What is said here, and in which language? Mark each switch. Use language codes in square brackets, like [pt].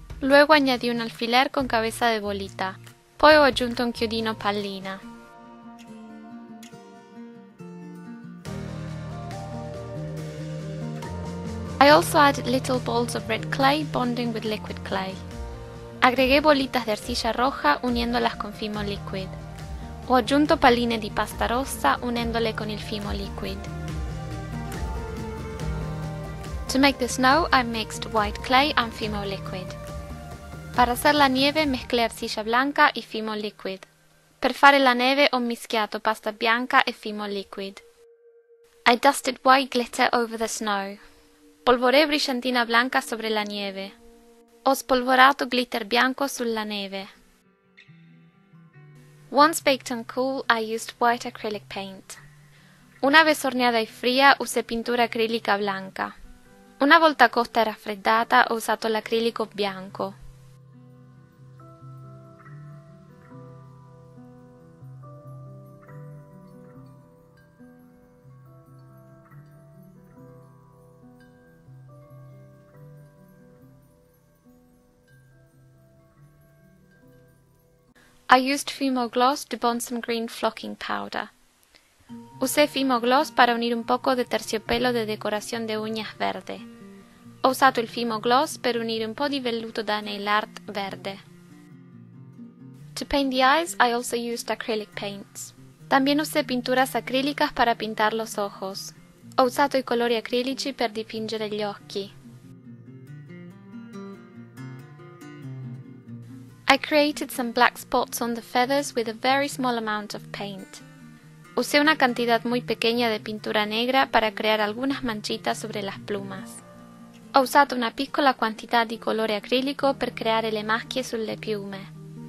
[es] Luego añadí un alfiler con cabeza de bolita. [it] Poi ho aggiunto un chiodino pallina. [en] I also added little balls of red clay bonding with liquid clay. [es] Agregué bolitas de arcilla roja uniéndolas con fimo liquid. [it] Ho aggiunto palline di pasta rossa unendole con il fimo liquid. [en] To make the snow, I mixed white clay and fimo liquid. [es] Para hacer la nieve, mezclé arcilla blanca y fimo liquid. [it] Per fare la neve, ho mischiato pasta bianca e fimo liquid. [en] I dusted white glitter over the snow. [es] Polvoré brillantina blanca sobre la nieve. [it] Ho spolvorato glitter bianco sulla neve. [en] Once baked and cool, I used white acrylic paint. [es] Una vez horneada y fría, usé pintura acrílica blanca. [it] Una volta cotta e raffreddata, ho usato l'acrilico bianco. [en] I used Fimo Gloss to bond some green flocking powder. [es] Usé Fimo Gloss para unir un poco de terciopelo de decoración de uñas verde. [it] Ho usato il Fimo Gloss per unire un po' di velluto da nail art verde. [en] To paint the eyes, I also used acrylic paints. [es] También usé pinturas acrílicas para pintar los ojos. [it] Ho usato i colori acrilici per dipingere gli occhi. [en] I created some black spots on the feathers with a very small amount of paint. [es] Usé una cantidad muy pequeña de pintura negra para crear algunas manchitas sobre las plumas. [it] Ho usato una piccola quantità di colore acrilico per creare le macchie sulle piume.